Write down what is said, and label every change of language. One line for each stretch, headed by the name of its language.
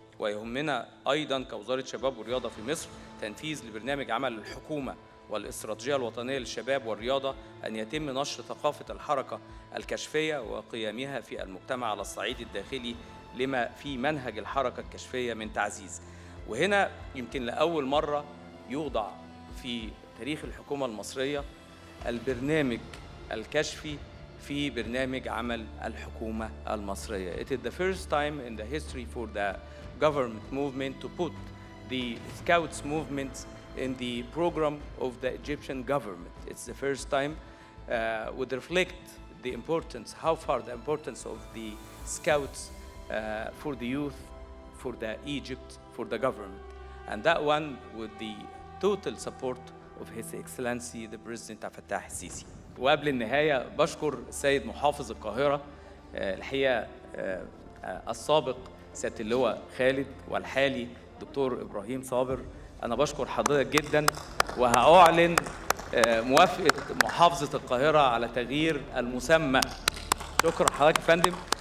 Arabic: ويهمنا أيضا كوزارة شباب ورياضة في مصر تنفيذ لبرنامج عمل الحكومة والاستراتيجية الوطنية للشباب والرياضة أن يتم نشر ثقافة الحركة الكشفية وقيمها في المجتمع على الصعيد الداخلي لما في منهج الحركة الكشفية من تعزيز. وهنا يمكن لأول مرة يوضع في تاريخ الحكومة المصرية البرنامج الكشفي في برنامج عمل الحكومة المصرية.
English: It is the first time in the history for the government movement to put the scouts movements in the program of the Egyptian government. It's the first time would reflect the importance, how far the importance of the scouts for the youth, for the Egypt, for the government. And that one with the total support of His Excellency the President Abdel Fattah al-Sisi.
Arabic: وقبل النهاية بشكر سيد محافظ القاهرة الحقيقة السابق سيادة اللواء خالد والحالي دكتور إبراهيم صابر. أنا بشكر حضرتك جدا، وهأعلن موافقة محافظة القاهرة على تغيير المسمى. شكرا حضرتك فندم.